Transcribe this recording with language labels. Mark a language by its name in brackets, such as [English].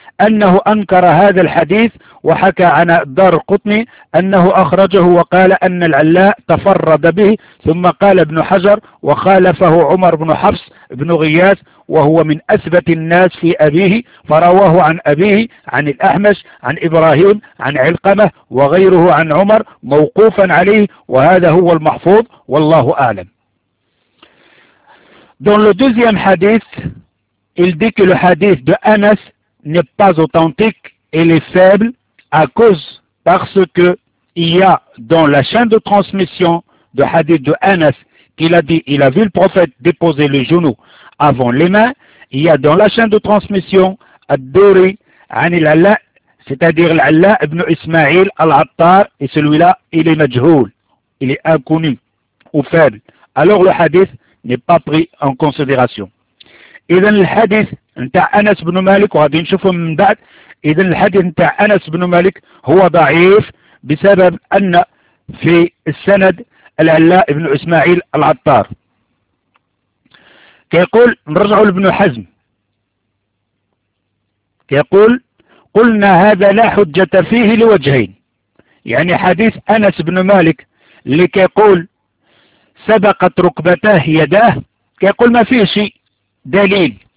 [Arabic] أنه أنكر هذا الحديث وحكى عن الدار قطني أنه أخرجه وقال أن العلاء تفرد به، ثم قال ابن حجر وخالفه عمر بن حفص بن غياث وهو من أثبت الناس في أبيه، فرواه عن أبيه عن الأحمش عن إبراهيم عن علقمة وغيره عن عمر موقوفا عليه، وهذا هو المحفوظ والله أعلم. [French] Dans le deuxième hadith, il dit que le hadith de Anas n'est pas authentique et il est faible à cause parce que il y a dans la chaîne de transmission de hadith de Anas qu'il a dit il a vu le prophète déposer le genou avant les mains, il y a dans la chaîne de transmission Ad-Duri anil Allah, c'est-à-dire l'Allah ibn Ismail al-Attar, et celui-là il est majhoul, il est inconnu ou faible, alors le hadith n'est pas pris en considération. [Arabic] إذا الحديث نتاع أنس بن مالك وغادي نشوفه من بعد، إذا الحديث نتاع أنس بن مالك هو ضعيف بسبب أن في السند العلاء بن إسماعيل العطار. كيقول نرجع لابن حزم كيقول قلنا هذا لا حجة فيه لوجهين، يعني حديث أنس بن مالك اللي كيقول سبقت ركبتاه يداه كيقول ما فيه شيء دليل